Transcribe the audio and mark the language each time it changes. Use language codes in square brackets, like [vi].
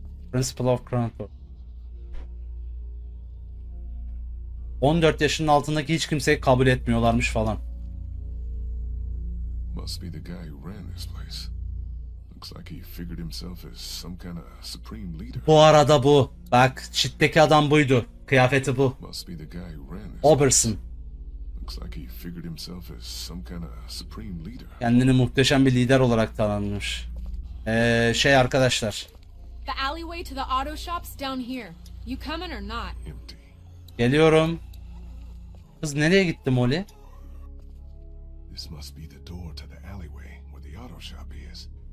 [en] Principal of Cranford. [tr] 14 yaşının altındaki hiç kimseyi kabul etmiyorlarmış falan. [en] Must be the guy who ran this place. Looks like he figured himself as some kind of supreme leader. [tr] Bu arada bu. Bak, çitteki adam buydu. Kıyafeti bu. [en] Must be the guy who ran this. Oberson. Looks like he figured himself as some kind of supreme leader. [tr] Kendini muhteşem bir lider olarak tanımlamış. Şey arkadaşlar. [en] The alleyway to the auto shops down here. You coming or not? Empty. [tr] Geliyorum. Kız nereye gitti Molly? [en] This must be the door to the alleyway where the auto shop is.